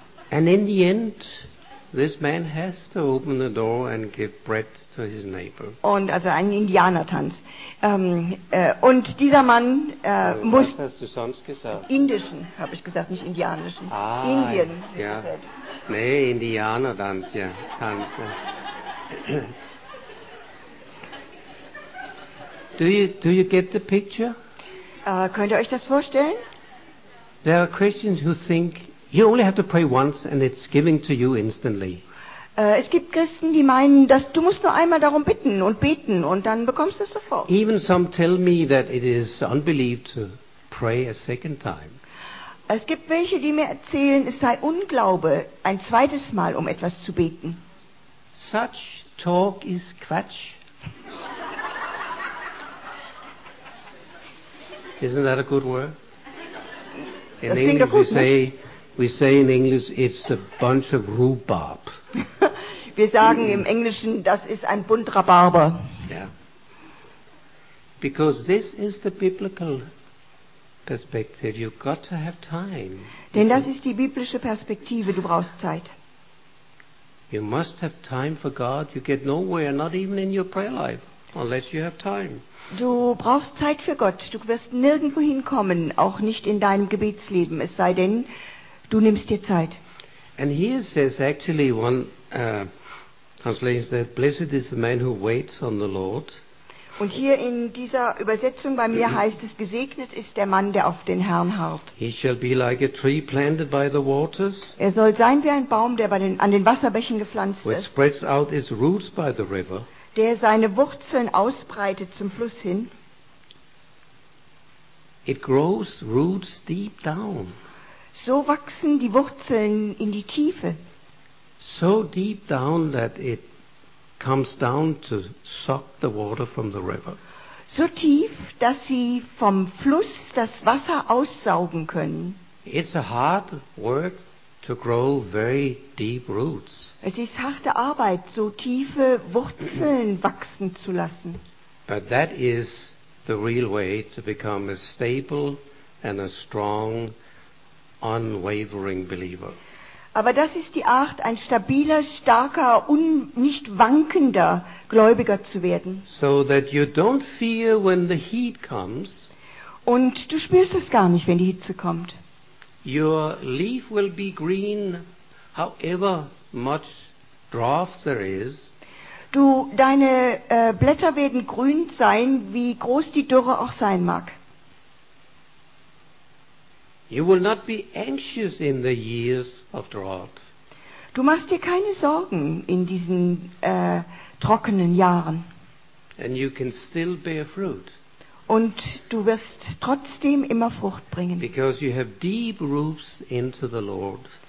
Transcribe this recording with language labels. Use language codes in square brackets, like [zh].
[en] And in the end, this man has to open the door and give bread to his neighbor. [de] Und also ein Indianertanz. Und dieser Mann muss. Was hast du sonst gesagt? Indischen, habe ich gesagt, nicht indianischen. Ah, Indien. Ja. Nee, Indianertanz, ja. Tanz. Ja. [en] Do you get the picture? [de] Könnt ihr euch das vorstellen? [en] There are Christians who think. You only have to pray once and it's giving to you instantly. [de] Es gibt Christen, die meinen, dass du musst nur einmal darum bitten und beten und dann bekommst du es sofort. [en] Even some tell me that it is unbelief to pray a second time. [de] Es gibt welche, die mir erzählen, es sei Unglaube, ein zweites Mal um etwas zu beten. [en] Such talk is Quatsch. Isn't that a good word? In [de] das [en] English [de] gut, [en] we say, ne? We say in English, it's a bunch of rhubarb. [de] Wir sagen im Englischen, das ist ein bunter Rhabarber. Yeah. [en] Because this is the biblical perspective. You've got to have time. [de] Denn das ist die biblische Perspektive. Du brauchst Zeit. [en] You must have time for God. You get nowhere, not even in your prayer life, unless you have time. [de] Du brauchst Zeit für Gott. Du wirst nirgendwo hinkommen, auch nicht in deinem Gebetsleben, es sei denn, du nimmst dir Zeit. [en] And here says actually one translation that blessed is the man who waits on the Lord. [de] Und hier in dieser Übersetzung bei mir heißt es, gesegnet ist der Mann, der auf den Herrn harrt. [en] He shall be like a tree planted by the waters. [de] Er soll sein wie ein Baum, der bei den, an den Wasserbächen gepflanzt [en] which [de] ist. [en] Which spreads out its roots by the river. [de] Der seine Wurzeln ausbreitet zum Fluss hin. [en] It grows roots deep down. [de] So wachsen die Wurzeln in die Tiefe. [en] So deep down that it comes down to suck the water from the river. [de] So tief, dass sie vom Fluss das Wasser aussaugen können. [en] It's a hard work to grow very deep roots. [de] Es ist harte Arbeit, so tiefe Wurzeln wachsen zu lassen. [en] But that is the real way to become a stable and a strong unwavering believer. [de] Aber das ist die Art, ein stabiler, starker, nicht wankender Gläubiger zu werden. [en] So that you don't fear when the heat comes. [de] Und du spürst es gar nicht, wenn die Hitze kommt. [en] Your leaf will be green, however much draft there is. [de] Deine Blätter werden grün sein, wie groß die Dürre auch sein mag. [en] You will not be anxious in the years of drought. [de] Du machst dir keine Sorgen in diesen trockenen Jahren. [en] And you can still bear fruit. [de] Und du wirst trotzdem immer Frucht bringen. [en] Because you have deep roots into the Lord.